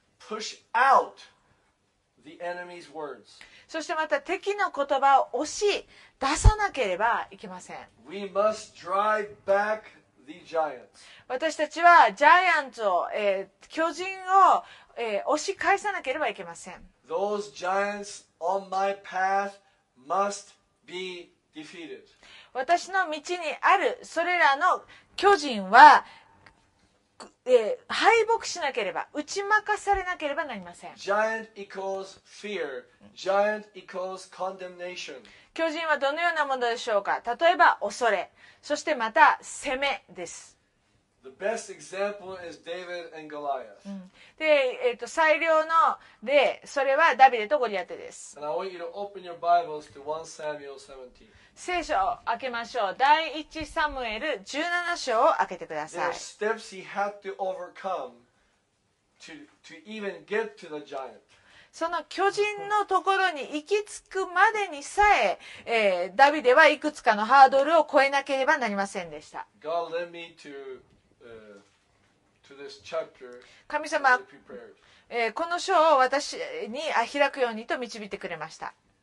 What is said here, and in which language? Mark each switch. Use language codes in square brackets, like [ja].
[en] We must push out the enemy's words. [ja] そしてまた敵の言葉を押し出さなければいけません。 [en] We must drive backThe giants. [ja] 私たちはジャイアンツを、巨人を、押し返さなければいけません。 [en] Those giants on my path must be defeated. [ja] 私の道にあるそれらの巨人は、敗北しなければ、打ち負かされなければなりません。 [en] Giant equals fear. Giant equals condemnation. [ja] 巨人はどのようなものでしょうか。例えば恐れ、そしてまた攻めです。 [en] The best example is David and Goliath. [ja] で、最良のでそれはダビデとゴリアテです。 [en] And I want you to open your Bibles to 1 Samuel 17. [ja] 聖書を開けましょう。第1サムエル17章を開けてください。 [en] There are steps he had to overcome to even get to the giant. [ja] その巨人のところに行き着くまでにさえ、ダビデはいくつかのハードルを越えなければなりませんでした。 [en] God led me to this chapter. [ja] 神様、この章を私に開くようにと導いてくれました。